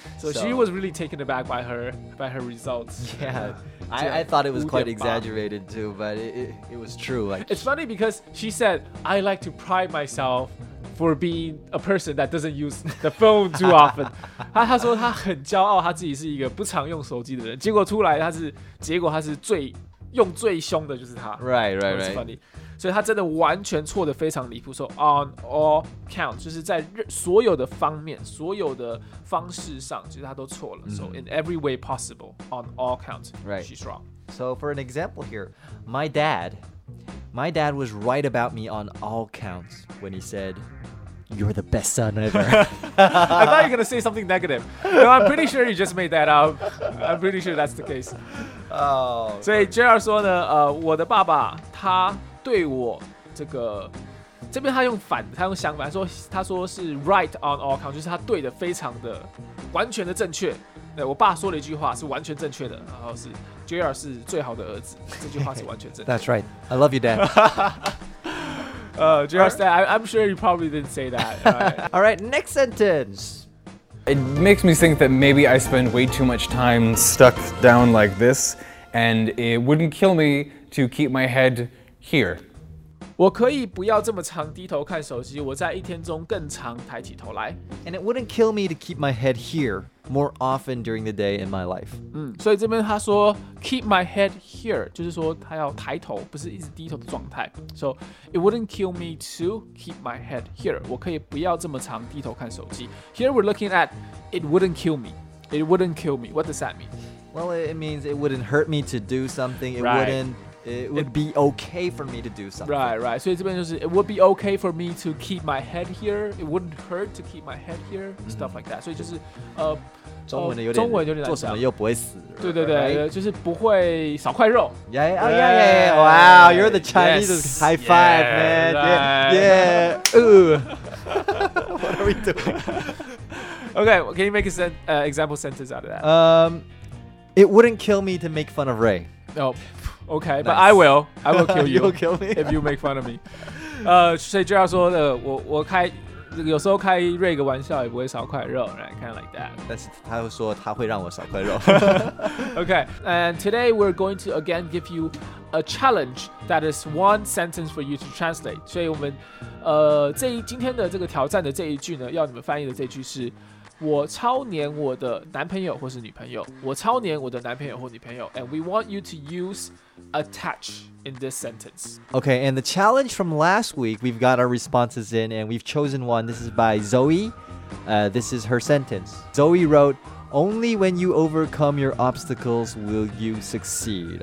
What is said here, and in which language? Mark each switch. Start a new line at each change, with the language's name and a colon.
English: So she was really taken aback by her results. Yeah. I thought it was quite exaggerated too, but it was true. Like, it's funny because she said, I like to pride myself. For being a person that doesn't use the phone too often.
Chinese: 他说他很骄傲他自己是一个不常用手机的人。结果出来他是最用最凶的就是他。
English: Right.
Chinese: Funny. 所以他真的完全错得非常离谱。
English: So on all count,
Chinese: 就是在所有的方面所有的方式上其实他都错了。
English: Mm-hmm. So in every way possible, on all count, right. she's wrong. So for an example here, my dad was right about me on all counts when he said, you're the best son ever. I thought you were going to say something negative. No, I'm pretty sure you just made that up. I'm pretty sure that's the case. Oh.
Chinese: 所以 JR 说呢，我的爸爸他对我这个，这边他用相反，他说是
English: right on all counts,
Chinese: 就是他对的非常的完全的正确。对，我爸说了一句话是完全正确的，然后是 JR 是最好的儿子，这句话是完全正确的。
English: That's right. I love you, Dad. JR said, I'm sure you probably didn't say that. All right, next sentence. It makes me think that maybe I spend way too much time stuck down like this, and it wouldn't kill me to keep my head here.
Chinese: 我可以不要这么常低头看手机，我在一天中更常抬起头来。
English: And it wouldn't kill me to keep my head here more often during the day in my life.
Chinese: 嗯，所以这边他说
English: keep my head here
Chinese: 就是说他要抬头，不是一直低头的状态。
English: So it wouldn't kill me to keep my head here.
Chinese: 我可以不要这么常低头看手机。
English: Here we're looking at it wouldn't kill me. It wouldn't kill me. What does that mean? Well, it means it wouldn't hurt me to do something. It right. wouldn't. It would be okay for me to do something. Right.
Chinese: 所以这边就是
English: it would be okay for me to keep my head here. It wouldn't hurt to keep my head here. Stuff like that.
Chinese: 所以就是中文有点难讲，做什么又不会死。对对对，就是不会少块肉。
English: Yeah. Wow, you're the Chinese yes, high five, yeah, man. Right. Yeah. Ooh. are we doing? Okay, well, can you make a example sentence out of that? It wouldn't kill me to make fun of Ray. No. Oh, okay, nice. But I will. I will kill you. You'll kill me? If you make fun of me.
Chinese: 所以Gerald说的,我开... 有时候开瑞个玩笑也不会少块肉,
English: right? Kind of like that.
Chinese: 但是他会说他会让我少块肉.
English: Okay, and today we're going to again give you a challenge that is one sentence for you to translate.
Chinese: 所以我们今天的这个挑战的这一句呢，要你们翻译的这句是 我超黏我的男朋友或是女朋友。我超黏我的男朋友或女朋友。
English: And we want you to use attach in this sentence. Okay, and the challenge from last week, we've got our responses in and we've chosen one. This is by Zoe. This is her sentence. Zoe wrote, only when you overcome your obstacles will you succeed.